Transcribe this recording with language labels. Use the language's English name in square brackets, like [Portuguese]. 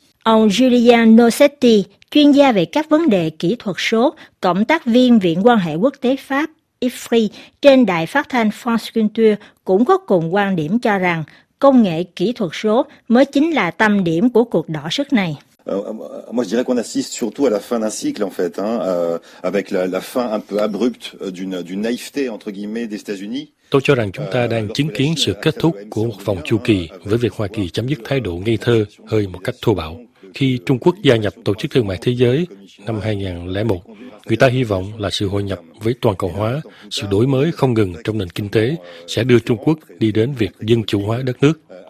[Vietnamese] Ông Julian Nocetti, chuyên gia về các vấn đề kỹ thuật số, cộng tác viên Viện Quan hệ Quốc tế Pháp, IFRI, trên đài phát thanh France Culture cũng có cùng quan điểm cho rằng công nghệ kỹ thuật số mới chính là tâm điểm của cuộc đọ sức này. [French] Moi je dirais qu'on assiste surtout à la fin d'un cycle en fait hein, avec la fin un peu abrupte d'une naïveté entre guillemets des États-Unis. [Vietnamese] Tôi cho rằng chúng ta đang chứng kiến sự kết thúc của một vòng chu kỳ với việc Hoa Kỳ chấm dứt thái độ ngây thơ hơi một cách thô bạo. Khi Trung Quốc gia nhập Tổ chức Thương mại Thế giới năm 2001, người ta hy vọng là sự hội nhập với toàn cầu hóa, sự đổi mới không ngừng trong nền kinh tế sẽ đưa Trung Quốc đi đến việc dân chủ hóa đất nước.